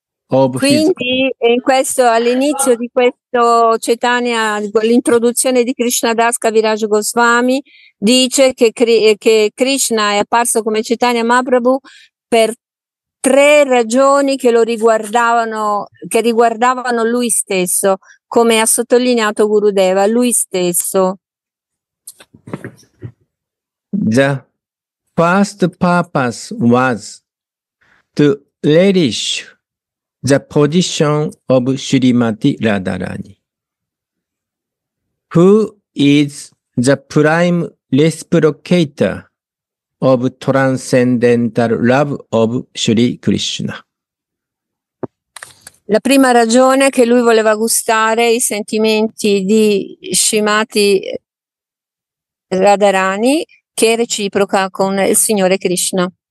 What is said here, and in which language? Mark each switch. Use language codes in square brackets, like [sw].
[it] Quindi in questo, all'inizio di questo Chaitanya, l'introduzione di Krishna Das Kaviraj Goswami dice che Krishna è apparso come Chaitanya Mahaprabhu per tre ragioni che lo riguardavano, che riguardavano lui stesso, come ha sottolineato Gurudeva, lui stesso. [en] The first purpose was to relish the position of Srimati Radharani, who is the prime reciprocator of transcendental love of Sri Krishna. [it] La prima ragione è che lui voleva gustare i sentimenti di Srimati Radharani, che è reciproca con il Signore Krishna.